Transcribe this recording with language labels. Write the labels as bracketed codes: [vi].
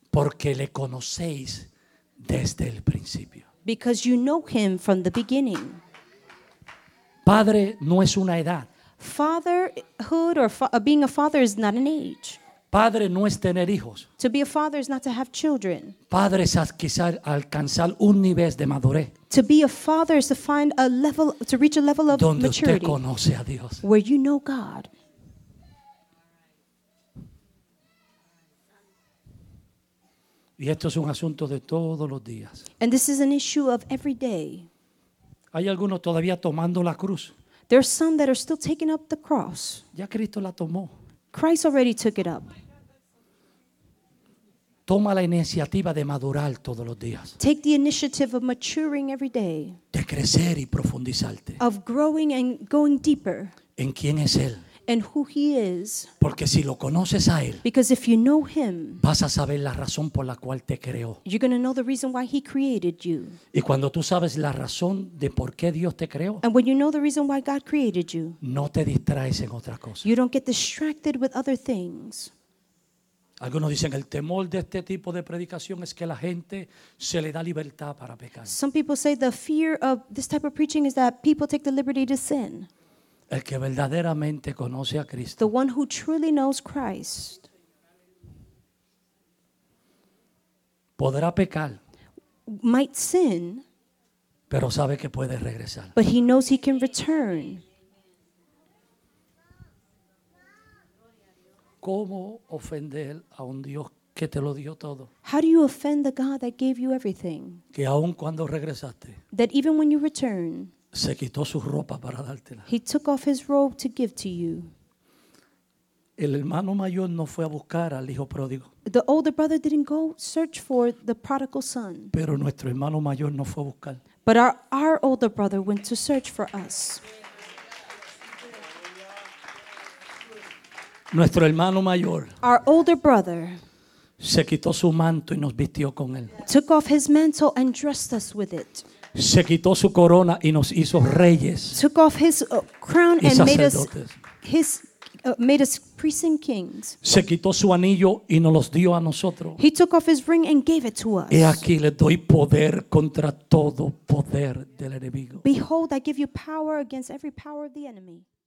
[es] Porque le conocéis desde el principio. [en] Because you know him from the beginning. [es] Padre no es una edad. [en] Fatherhood or being a father is not an age. [es] Padre no es tener hijos. [en] To be a father is not to have children. [es] Padre es quizás alcanzar un nivel de madurez. [en] To be a father is to find a level, to reach a level of [es] donde [en] maturity. [es] Donde usted conoce a Dios. [en] Where you know God. [es] Y esto es un asunto de todos los días. [en] And this is an issue of every day. [es] Hay algunos todavía tomando la cruz. [en] There are some that are still taking up the cross. [es] Ya Cristo la tomó. [en] Christ already took it up. [es] Toma la iniciativa de madurar todos los días. [en] Take the initiative of maturing every day. [es] De crecer y profundizarte. [en] Of growing and going deeper. [es] ¿En quién es Él? [en] And who he is. [es] Porque si lo conoces a él, [en] because if you know him, [es] vas a saber la razón por la cual te creó. [en] You're going to know the reason why he created you. [es] Y cuando tú sabes la razón de por qué Dios te creó, [en] and when you know the reason why God created you, [es] no te distraes en otra cosa. [en] You don't get distracted with other things. [es] Algunos dicen el temor de este tipo de predicación es que la gente se le da libertad para pecar. [en] Some people say the fear of this type of preaching is that people take the liberty to sin. [es] El que verdaderamente conoce a Cristo. [en] The one who truly knows Christ. [es] Podrá pecar. [en] Might sin. [es] Pero sabe que puede regresar. [en] But he knows he can return. [es] ¿Cómo ofender a un Dios que te lo dio todo? [en] How do you offend the God that gave you everything? [es] Que aun cuando regresaste. [en] That even when you return. [es] Se quitó su ropa para dártela. [en] He took off his robe to give to you. [es] El hermano mayor no fue a buscar al hijo pródigo. [en] The older brother didn't go search for the prodigal son. [es] Pero nuestro hermano mayor no fue a buscar. [en] But our older brother went to search for us. [es] Nuestro hermano mayor. [en] Our older brother. [es] Se quitó su manto y nos vistió con él. [en] Took off his mantle and dressed us with it. [es] Se quitó su corona y nos hizo reyes. [en] Took off his crown [es] y sacerdotes. [en] And made us priests and kings. [es] Se quitó su anillo y nos los dio a nosotros. [en] He took off his ring and gave it to us. [es] He aquí le doy poder contra todo poder del enemigo. [en] Behold, I give you power against every power of the enemy.